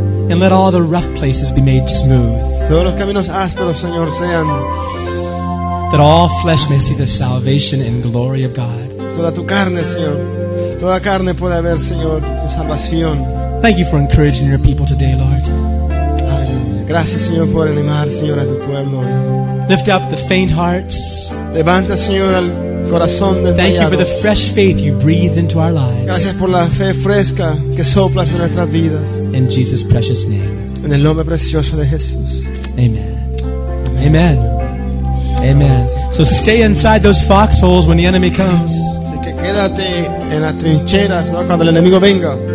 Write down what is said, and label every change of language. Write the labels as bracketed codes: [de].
[en] And let all the rough places be made smooth. [es] Todos los caminos ásperos, Señor, sean. [en] That all flesh may see the salvation and glory of God. [es] Toda tu carne, Señor. Toda carne puede ver, Señor, tu salvación. [en] Thank you for encouraging your people today, Lord. [es] Aleluya. Gracias, Señor, por animar, Señor, a tu pueblo. [en] Lift up the faint hearts. [es] Levanta, Señor, al corazón desmayado. [en] Thank you for the fresh faith you breathe into our lives. [es] Gracias por la fe fresca que soplas en nuestras vidas. [en] In Jesus' precious name. [es] En el nombre precioso de Jesús. [en] Amen. Amen. Amen. Amen. So stay inside those foxholes when the enemy comes. [es] Así que quédate en las trincheras, ¿no? Cuando el enemigo venga.